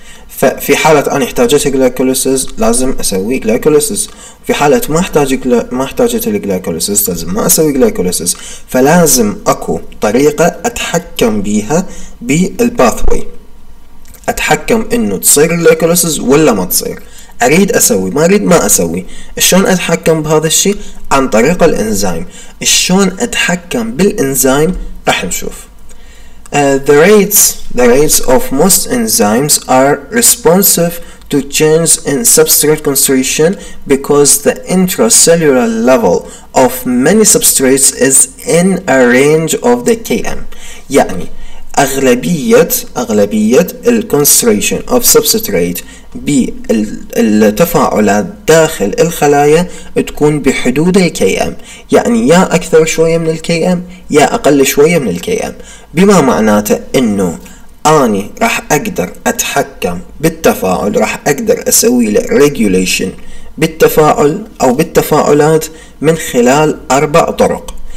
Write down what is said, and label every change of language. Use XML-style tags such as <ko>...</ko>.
<ar>ففي حاله انا احتاجت جلايكوليسيس لازم اسوي جلايكوليسيس، في حاله ما احتاجت الجلايكوليسيس لازم ما اسوي جلايكوليسيس، فلازم اكو طريقه اتحكم بيها بالباثوي، اتحكم انه تصير جلايكوليسيس ولا ما تصير، اريد اسوي ما اريد ما اسوي. شلون اتحكم بهذا الشيء؟ عن طريق الانزيم. شلون اتحكم بالانزيم؟ راح نشوف.</ar> <en>The rates of most enzymes are responsive to changes in substrate concentration because the intracellular level of many substrates is in a range of the km.</en> <ar>يعني أغلبية الـ</ar> <en>concentration of substrate</en> <ar>بالتفاعلات داخل الخلايا تكون بحدود الـ KM، يعني يا أكثر شوية من الـ KM يا أقل شوية من الـ KM، بما معناته أنه أني راح أقدر أتحكم بالتفاعل، راح أقدر أسوي له regulation بالتفاعل أو بالتفاعلات من خلال أربع طرق.</ar>